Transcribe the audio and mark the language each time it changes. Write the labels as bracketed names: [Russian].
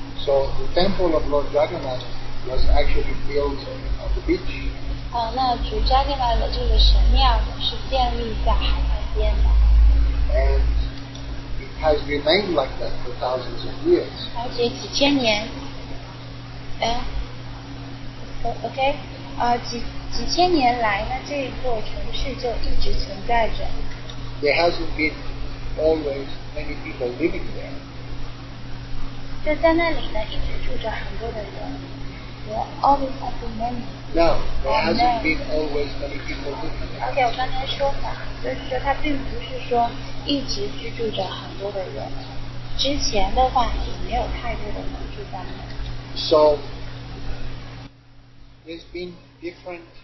[English] So the temple of Lord Jagannath was actually built on the beach. [Chinese] 那主 Jagannath 的这个神庙是建立在海岸边的。 [English] And it has remained like that for thousands of years. [Chinese] 而且几千年。几千年来呢，这一座城市就一直存在着。 [English] There hasn't been always many people living there. [Chinese] 就在那里呢，一直住着很多的人。 [English] There always have been many. No, there hasn't been always many people living there. [Chinese] 而且我刚才说法，就是说它并不是说一直居住着很多的人。之前的话也没有太多的人住在那里。 [English] So, there's been different.